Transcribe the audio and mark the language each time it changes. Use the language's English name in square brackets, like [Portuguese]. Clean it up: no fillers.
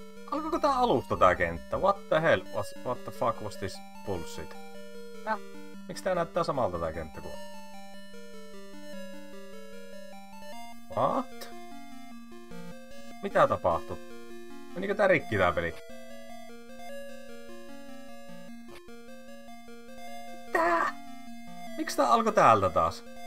[Finnish] Alkoiko tää alusta tää kenttä? [English] What the hell? What the fuck was this bullshit? [Finnish] Miks tää näyttää samalta tää kenttä kuin? [English] What? [Finnish] Mitä tapahtui? Menikö tää rikki tää peli? Mitä? Miks tää alkoi täältä taas?